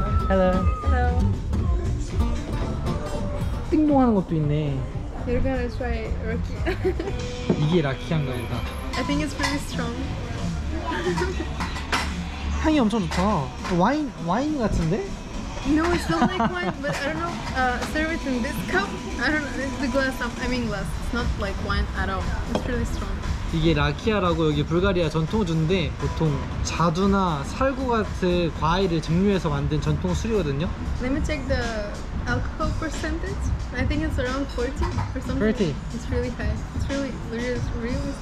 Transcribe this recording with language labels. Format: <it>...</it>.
<en>Hello. Hello.</en> <ko>띵동하는 것도 있네.</ko> <en>You're gonna try Rocky.</en> <ko>이게 라키한가 보다.</ko> <en>I think it's pretty strong.</en> <ko>향이 엄청 좋다. 와인 같은데?</ko> <en>No, it's not like wine, but I don't know, serve it in this cup. I don't know, it's the glass, glass. It's not like wine at all. It's really strong.</en> <ko>이게 라키아라고 여기 불가리아 전통 주인데 보통 자두나 살구 같은 과일을 증류해서 만든 전통 술이거든요.</ko> <en>Let me check the alcohol percentage. I think it's around 40 or something. 30. It's really high. It's really, really, really.</en>